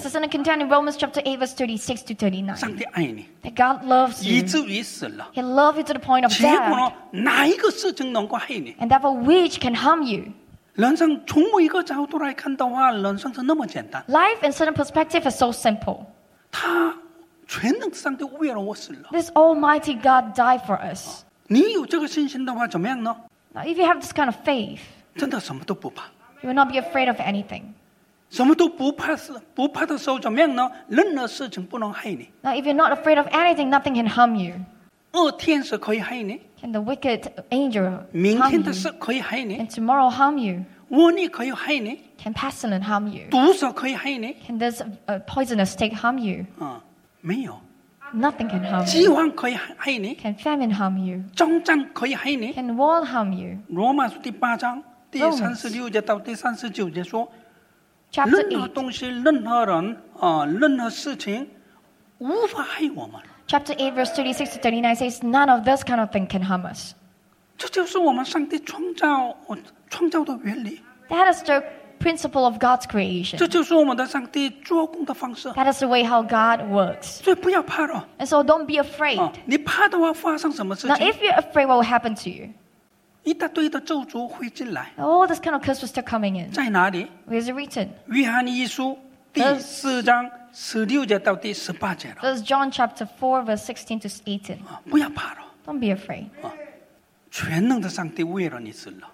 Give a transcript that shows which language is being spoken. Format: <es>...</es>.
<en>This is in a contained Romans chapter 8, verse 36 to 39.</en> <zh>上帝爱你。</zh> <en>That God loves you.</en> <zh>以至于死了。</zh> <en>He loves you to the point of death.</en> <zh>结果呢，哪一个事情能够害你？</zh> <en>And therefore, which can harm you?</en> <zh>人生从某一个角度来看的话，人生是那么简单。</zh> <en>Life in certain perspective is so simple.</en> <zh>他全能上帝为了我死了。</zh> <en>This Almighty God died for us.</en> <zh>你有这个信心的话，怎么样呢？</zh> <en>Now, if you have this kind of faith,</en> <zh>真的什么都不怕。</zh> <en>You will not be afraid of anything.</en> <zh>什么都不怕的时候，怎么样呢？任何事情不能害你。</zh> <en>Now, if you're not afraid of anything, nothing can harm you.</en> <zh>恶天使可以害你。</zh> <en>And the wicked angel harm you.</en> <zh>明天的事可以害你。</zh> <en>And tomorrow harm you.</en> <zh>瘟疫可以害你。</zh> <en>Can pestilence harm you?</en> <zh>毒蛇可以害你。</zh> <en>Can this poisonous snake harm you?</en> <zh>没有。</zh> <en>Nothing can harm you.</en> <zh>饥荒可以害你。</zh> <en>Can famine harm you?</en> <zh>战争可以害你。</zh> <en>Can war harm you?</en> <zh>罗马书第八章第36节到第39节说， 任何东西、任何人、任何事情无法害我们。</zh> <en>Chapter 8, verse 36 to 39 says, none of this kind of thing can harm us.</en> <zh>这就是我们上帝创造的原理。</zh> <en>That is the principle of God's creation.</en> <zh>这就是我们的上帝做工的方式。</zh> <en>That is the way how God works.</en> <zh>所以不要怕了。</zh> <en>And so don't be afraid.</en> <zh>你怕的话发生什么事情？</zh> <en>Now if you're afraid, what will happen to you?</en> <zh>一大堆的咒诅会进来。</zh> <en>All this kind of curse will start coming in.</en> <zh>在哪里？</zh> <en>Where is it written?</en> <zh>约翰一书第四章。16节到第18节了。</zh> <en>This is John chapter 4, verse 16 to 18.</en> <zh>不要怕了。</zh> <en>Don't be afraid.</en> <zh>全能的上帝为了你死了。</zh>